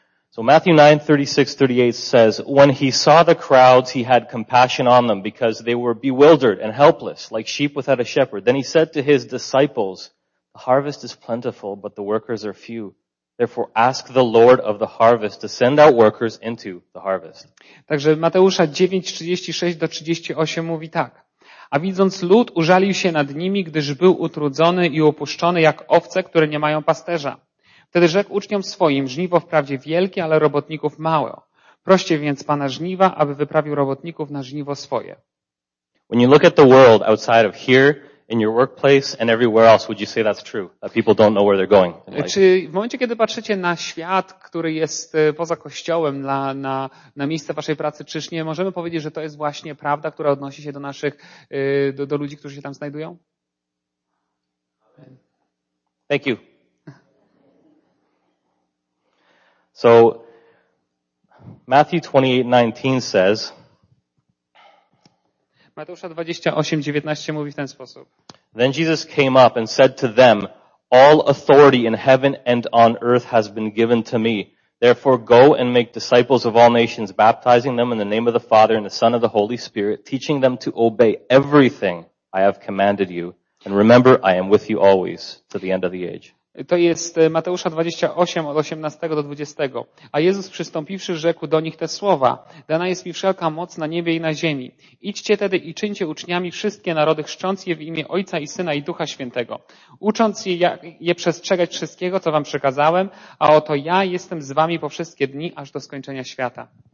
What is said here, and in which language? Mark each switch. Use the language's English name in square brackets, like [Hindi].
[English] So Matthew 9:36-38 says, when he saw the crowds, he had compassion on them because they were bewildered and helpless, like sheep without a shepherd. Then he said to his disciples, the harvest is plentiful, but the workers are few. Therefore ask the Lord of the harvest to send out workers into the harvest. [Polish] Także Mateusza 9:36-38 mówi tak. A widząc lud, użalił się nad nimi, gdyż był utrudzony i opuszczony jak owce, które nie mają pasterza. Wtedy rzekł uczniom swoim, żniwo wprawdzie wielkie, ale robotników mało. Proście więc Pana żniwa, aby wyprawił robotników na żniwo swoje. [English] When you look at the world outside of here, in your workplace and everywhere else, would you say that's true? That people don't know where they're going? [Polish] Czy w momencie, kiedy patrzycie na świat, który jest poza kościołem, na miejsce waszej pracy, czyż nie możemy powiedzieć, że to jest właśnie prawda, która odnosi się do naszych, do ludzi, którzy się tam znajdują? [English] Thank you. So Matthew 28:19 says, [Polish] Mateusza 28:19 mówi w ten sposób. [English] Then Jesus came up and said to them, all authority in heaven and on earth has been given to me. Therefore go and make disciples of all nations, baptizing them in the name of the Father and the Son of the Holy Spirit, teaching them to obey everything I have commanded you. And remember, I am with you always to the end of the age. [Polish] To jest Mateusza 28, od 18 do 20. A Jezus przystąpiwszy, rzekł do nich te słowa. Dana jest mi wszelka moc na niebie i na ziemi. Idźcie tedy i czyńcie uczniami wszystkie narody, chrzcząc je w imię Ojca i Syna i Ducha Świętego. Ucząc je przestrzegać wszystkiego, co wam przekazałem, a oto ja jestem z wami po wszystkie dni, aż do skończenia świata.